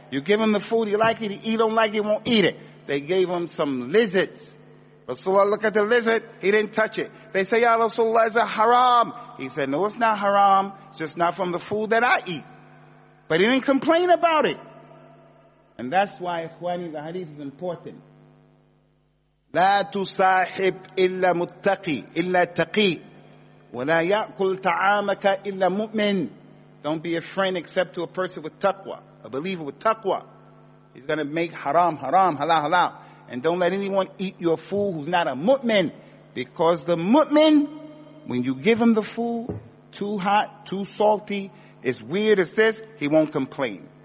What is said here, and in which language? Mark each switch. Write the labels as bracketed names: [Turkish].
[English] You give him the food, he like it, he eat, don't like it, he won't eat it. They gave him some lizards. Rasulullah looked at the lizard, he didn't touch it. They say, ya Rasulullah, is it haram? He said, no, it's not haram. It's just not from the food that I eat. But he didn't complain about it. And that's why, ikhwani, the hadith is important. [Arabic] لا تصاحب إلا متقي إلا تقي ولا يأكل تعامك إلا مؤمن. [English] Don't be a friend except to a person with taqwa, a believer with taqwa. He's going to make haram, haram, halal, halal. And don't let anyone eat your food who's not a mu'min. Because the mu'min, when you give him the food, too hot, too salty, it's weird, it's this, he won't complain.